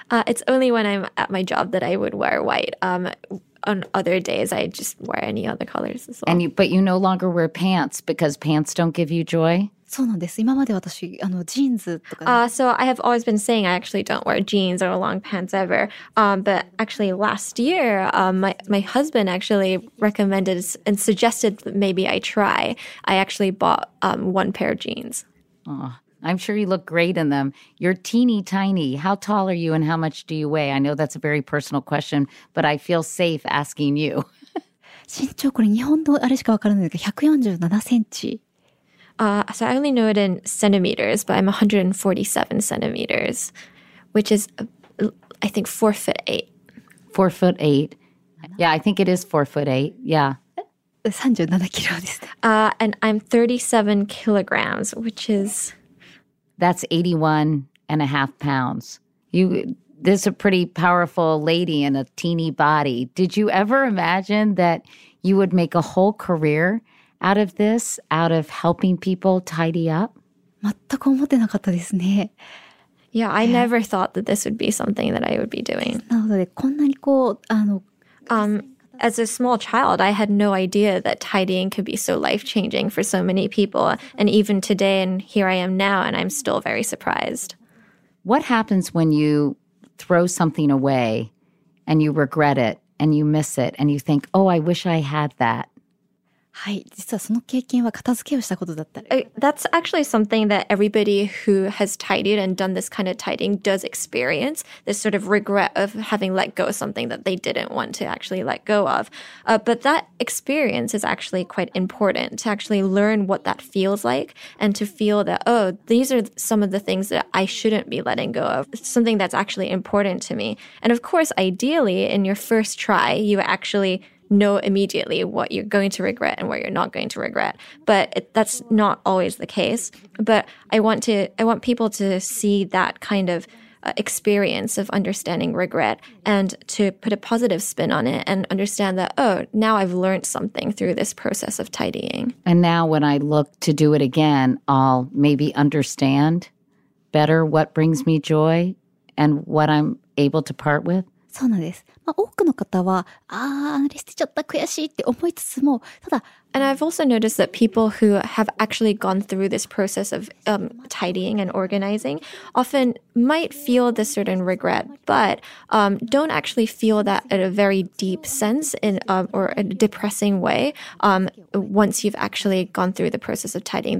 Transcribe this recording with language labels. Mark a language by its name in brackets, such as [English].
[English] It's only when I'm at my job that I would wear white. On other days, I just wear any other colors as well. And you no longer wear pants because pants don't give you joy? [Japanese] そうなんです。今まで私、あの、ジーンズとか、 [English] So I have always been saying I actually don't wear jeans or long pants ever. But actually last year, my husband actually recommended and suggested that maybe I try. I actually bought one pair of jeans. Oh, I'm sure you look great in them. You're teeny tiny. How tall are you and how much do you weigh? I know that's a very personal question, but I feel safe asking you. [Japanese] 身長これ日本のあれしかわからないけど、147センチ。 [English] So I only know it in centimeters, but I'm 147 centimeters, which is, I think, 4'8". 4'8". Yeah, I think it is 4'8". Yeah. 37 kilos. And I'm 37 kilograms, which is... That's 81 and a half pounds. This is a pretty powerful lady in a teeny body. Did you ever imagine that you would make a whole career out of this, out of helping people tidy up? [Japanese] 全く思ってなかったですね。 [English] Yeah, I never thought that this would be something that I would be doing. [Japanese] なのでこんなにこう、あの、 [English] As a small child, I had no idea that tidying could be so life-changing for so many people. And even today, and here I am now, and I'm still very surprised. What happens when you throw something away and you regret it and you miss it and you think, oh, I wish I had that? [Japanese] はい、実はその経験は片付けをしたことだったら。 [English] That's actually something that everybody who has tidied and done this kind of tidying does experience, this sort of regret of having let go of something that they didn't want to actually let go of. But that experience is actually quite important to actually learn what that feels like and to feel that, oh, these are some of the things that I shouldn't be letting go of. It's something that's actually important to me. And of course, ideally, in your first try, you actually... know immediately what you're going to regret and what you're not going to regret. But that's not always the case. But I want people to see that kind of experience of understanding regret and to put a positive spin on it and understand that, oh, now I've learned something through this process of tidying. And now when I look to do it again, I'll maybe understand better what brings me joy and what I'm able to part with. [Japanese] そうなんです。まあ、多くの方は、あれ捨てちゃった、悔しいって思いつつも、ただ、 [English] And I've also noticed that people who have actually gone through this process of tidying and organizing often might feel this certain regret, but don't actually feel that in a very deep sense in or a depressing way once you've actually gone through the process of tidying.